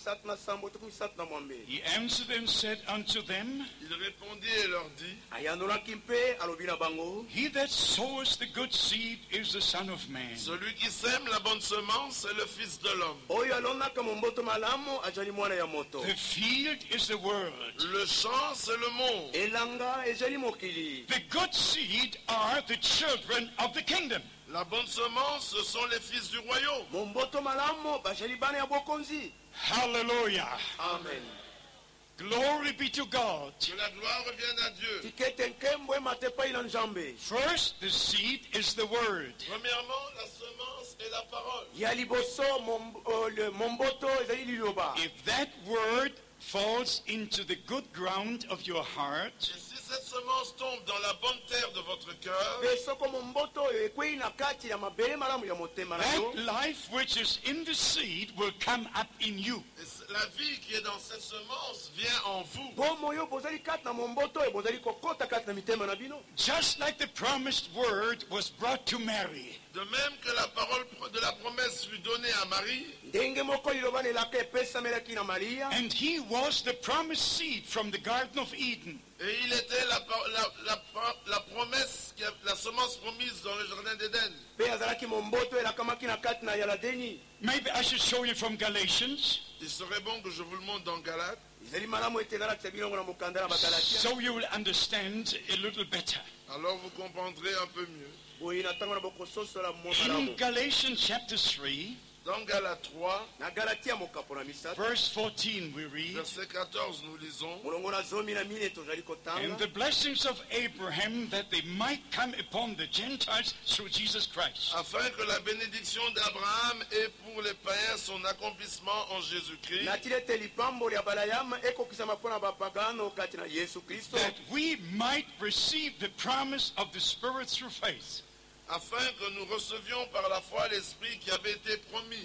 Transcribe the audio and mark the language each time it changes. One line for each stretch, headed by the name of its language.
English: Verses 37 and 38. He answered and said unto them,
French: il répondit et leur dit,
English: he that sows the good seed is the Son of Man.
French: Celui qui sème la bonne semence est le Fils de l'homme.
English: The field is the world.
French: Le champ c'est le monde.
English: The good seed are the children of the kingdom.
French: La bonne semence, ce sont les fils du royaume. Hallelujah. Amen.
English: Glory be to God.
French: Que la gloire revienne à Dieu.
English: First, the seed is the word.
French: Premièrement, la semence est la parole.
English: If that word falls into the good ground of your heart,
French: cette semence tombe dans la bonne terre de votre cœur.
English: That life which is in the seed will come up in you.
French: La vie qui est dans cette semence vient en vous.
English: Just like the promised word was brought to Mary.
French: De même que la parole de la promesse fut donnée à Marie.
English: And he was the promised seed from the Garden of Eden.
French: Et il était la promesse, la semence promise dans le jardin d'Éden.
English: Maybe I should show you from Galatians.
French: Il serait bon que je vous le montre dans Galates.
English: So you will understand a little better.
French: Alors vous comprendrez un peu mieux.
English: In Galatians chapter 3.
French: Dans Galates 3,
English: verse 14, we read.
French: Verset 14, nous lisons.
English: And the blessings of Abraham that they might come upon the Gentiles through Jesus Christ.
French: Afin que la bénédiction d'Abraham ait pour les païens son accomplissement en Jésus Christ.
English: That we might receive the promise of the Spirit through faith.
French: Afin que nous recevions par la foi l'Esprit qui avait été promis.